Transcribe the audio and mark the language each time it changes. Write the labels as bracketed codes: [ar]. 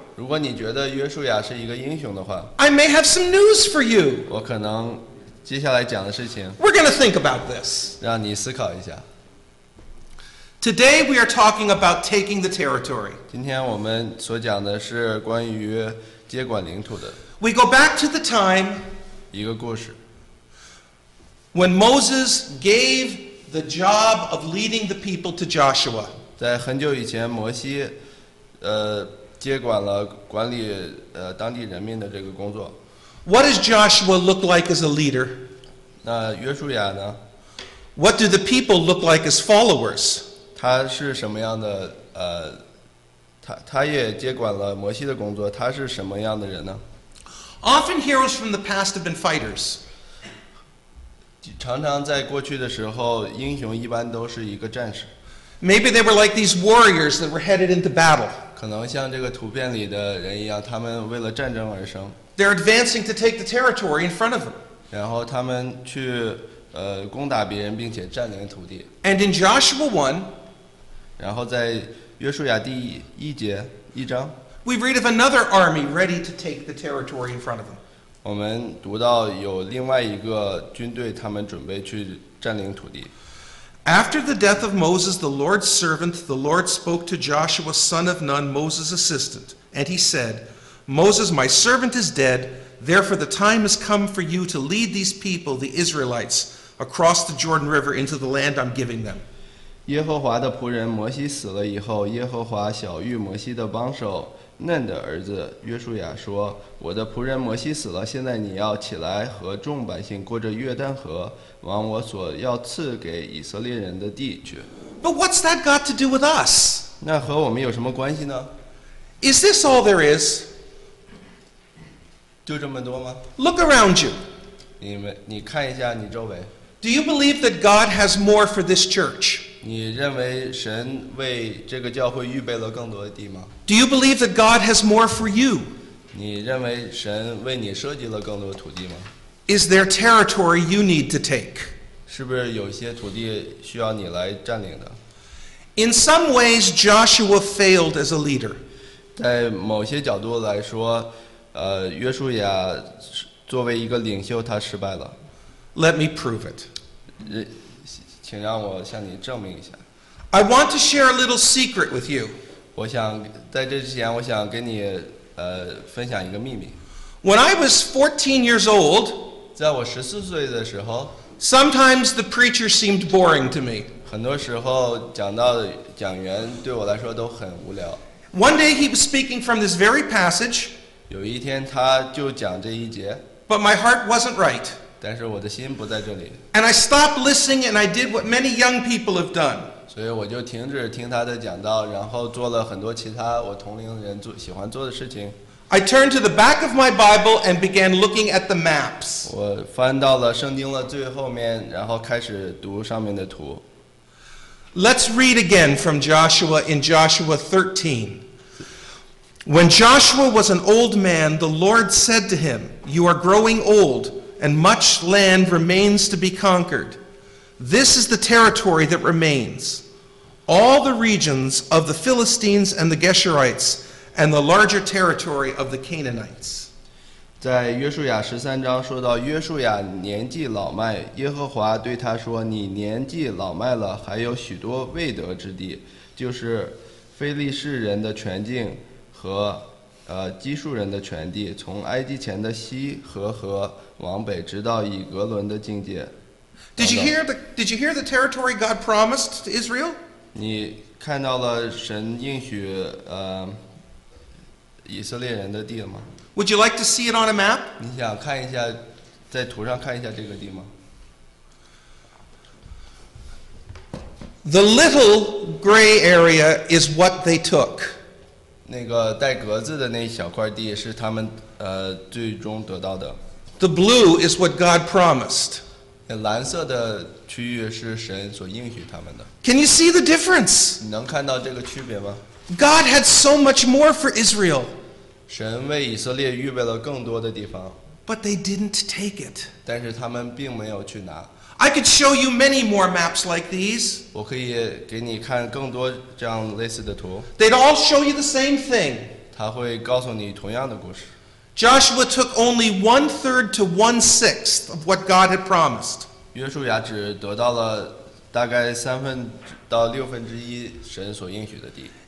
[zh] 如果你觉得约书亚是一个英雄的话, [en] I may have some news for you. [zh] 我可能接下来讲的事情, [en] We're going to think about this. [zh] 让你思考一下。 [en] Today we are talking about taking the territory. [zh] 今天我们所讲的是关于接管领土的。 [en] We go back to the time. [zh] 一个故事。 [en] When Moses gave the job of leading the people to Joshua. [zh] 在很久以前，摩西，接管了管理当地人民的这个工作。 [en] What does Joshua look like as a leader? [zh] 那约书亚呢？ [en] What do the people look like as followers? [zh] 他是什么样的他也接管了摩西的工作，他是什么样的人呢？ [en] Often heroes from the past have been fighters. [zh] 常常在过去的时候，英雄一般都是一个战士。 [en] Maybe they were like these warriors that were headed into battle. [zh] 可能像这个图片里的人一样，他们为了战争而生。 [en] They're advancing to take the territory in front of them. [zh] 然后他们去攻打别人，并且占领土地。 [en] And in Joshua 1, [zh] 然后在约书亚第一节一章， [en] we read of another army ready to take the territory in front of them. [zh] 我们读到有另外一个军队，他们准备去占领土地。 [en] After the death of Moses, the Lord's servant, the Lord spoke to Joshua, son of Nun, Moses' assistant, and he said, Moses, my servant is dead. Therefore, the time has come for you to lead these people, the Israelites, across the Jordan River into the land I'm giving them. [zh] 耶和华的仆人摩西死了以后，耶和华晓谕摩西的帮手嫩的儿子约书亚说：“我的仆人摩西死了，现在你要起来和众百姓过着约旦河，往我所要赐给以色列人的地去。” [en] But what's that got to do with us? [zh] 那和我们有什么关系呢？ [en] Is this all there is? [zh] 就这么多吗？ [en] Look around you. [zh] 你看一下你周围。 [en] Do you believe that God has more for this church? [zh] 你认为神为这个教会预备了更多的地吗？ [en] Do you believe that God has more for you? [zh] 你认为神为你设计了更多的土地吗？ [en] Is there territory you need to take? [zh] 是不是有些土地需要你来占领的？ [en] In some ways, Joshua failed as a leader. [zh] 在某些角度来说，约书亚作为一个领袖，他失败了。 [en] Let me prove it. [zh] 请让我向你证明一下。 [en] I want to share a little secret with you. [zh] 我想在这之前，我想跟你分享一个秘密。 [en] When I was 14 years old, [zh] 在我十四岁的时候， [en] sometimes the preacher seemed boring to me. [zh] 很多时候讲员对我来说都很无聊。 [en] One day he was speaking from this very passage. [zh] 有一天他就讲这一节。 [en] But my heart wasn't right. [zh] 但是我的心不在这里。 [en] And I stopped listening and I did what many young people have done. [zh] 所以我就停止听他的讲道，然后做了很多其他我同龄人喜欢做的事情。 [en] I turned to the back of my Bible and began looking at the maps. [zh] 我翻到了圣经了最后面，然后开始读上面的图。 [en] Let's read again from Joshua in Joshua 13. When Joshua was an old man, the Lord said to him, You are growing old. And much land remains to be conquered. This is the territory that remains. All the regions of the Philistines and the Geshurites and the larger territory of the Canaanites. [zh] 在约书亚十三章说到约书亚年纪老迈，耶和华对他说：“你年纪老迈了，还有许多未得之地，就是非利士人的全境和基述人的全地，从埃及前的西河和往北，直到以格伦的境界。 [en] Did you hear the territory God promised to Israel? [zh] 你看到了神应许以色列人的地了吗？ [en] Would you like to see it on a map? [zh] 你想看一下，在图上看一下这个地吗？ [en] The little gray area is what they took. [zh] 那个带格子的那小块地是他们最终得到的。 [en] The blue is what God promised. [zh] 蓝色的区域是神所应许他们的。 [en] Can you see the difference? [zh] 你能看到这个区别吗？ [en] God had so much more for Israel. [zh] 神为以色列预备了更多的地方。 [en] But they didn't take it. [zh] 但是他们并没有去拿。 [en] I could show you many more maps like these. [zh] 我可以给你看更多这样类似的图。 [en] They'd all show you the same thing. [zh] 他会告诉你同样的故事。 [en] Joshua took only 1/3 to 1/6 of what God had promised. [zh] 约书亚只得到了大概三分到六分之一神所应许的地。